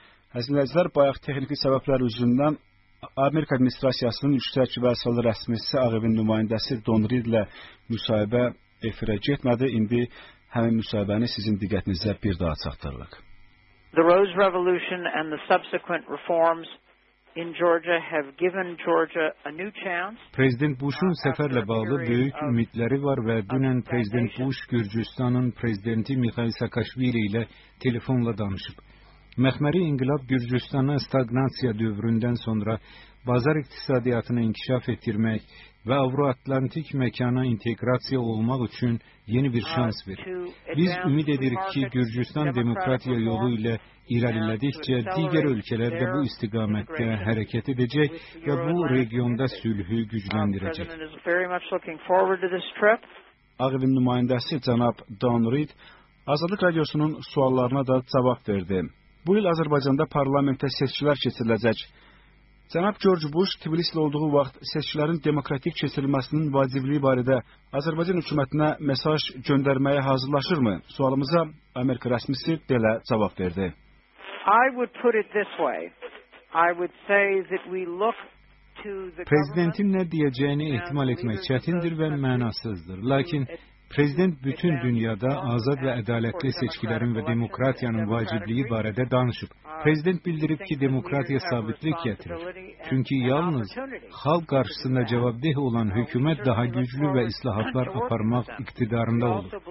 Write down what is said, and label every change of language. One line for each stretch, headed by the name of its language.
Azerbaijani: Həzinəcilər bayaq texniki səbəblər üzündən Amerika administrasiyasının yüksək vəzifəli rəsmisi Ağevin nümayəndəsi Don Reed ilə müsahibə efirə getmədi. İndi həmin müsahibəni sizin diqqətinizə bir daha çatdırırıq.
English: The Rose Revolution and the subsequent reforms in Georgia have given Georgia a new chance.
Azerbaijani: President Bush'un səfərlə bağlı böyük ümidləri var və dünən President Bush Gürcüstanın prezidenti Mikhail Saakashvili ilə telefonla danışıb. Məxməri inqilab Gürcüstanı stagnasiya dövründən sonra bazar iqtisadiyyatını inkişaf etdirmək və Avro-Atlantik məkana inteqrasiya olmaq üçün yeni bir şans verir. Biz ümid edirik ki, Gürcüstan demokratiya yolu ilə irəlilədikcə, digər ölkələr də bu istiqamətdə hərəkət edəcək və bu regionda sülhü gücləndirəcək. Ağ Evin nümayəndəsi cənab Don Reed Azadlıq Radiosunun suallarına da cavab verdi. Bu il Azərbaycanda parlamentdə seçkilər keçiriləcək. Cənab George Bush Tbilisi olduğu vaxt seçkilərin demokratik keçirilməsinin vacibliyi barədə Azərbaycan hökumətinə mesaj göndərməyə hazırlaşırmı? Sualımıza Amerika rəsmisi belə cavab verdi.
English: I would put it this way. I would say that we look to the
Azerbaijani: Prezidentin nə deyəcəyini ehtimal etmək çətindir və mənasızdır. Lakin Prezident bütün dünyada azad və ədalətli seçkilərin və demokratiyanın vacibliyi barədə danışıb. Prezident bildirib ki, demokratiya sabitlik gətirir. Çünki yalnız xalq qarşısında cavabdeh olan hökumət daha güclü və islahatlar aparmaq iqtidarında olur.